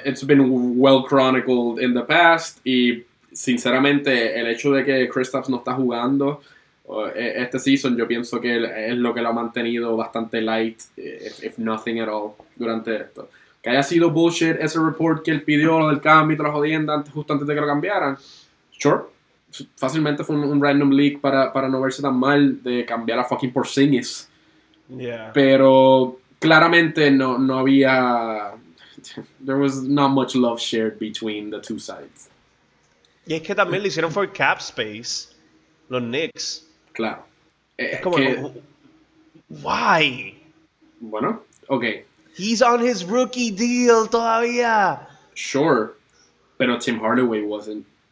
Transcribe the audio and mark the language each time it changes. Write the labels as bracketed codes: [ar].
[en] it's been well chronicled in the past, [es] y sinceramente el hecho de que Kristaps no está jugando este season, yo pienso que es lo que lo ha mantenido bastante light, [en] if nothing at all, [es] durante esto. Que haya sido bullshit ese report que él pidió, lo del cambio y la jodienda justo antes de que lo cambiaran. Sure. Fácilmente fue un [en] random leak [es] para no verse tan mal de cambiar a fucking Porzingis. [en] Yeah. [es] Pero claramente no había... [en] There was not much love shared between the two sides. [es] Y es que también le hicieron [en] for cap space [es] los Knicks. Claro. Es como... Why? Bueno, okay. [en] He's on his rookie deal todavía. Sure. Pero Tim Hardaway wasn't.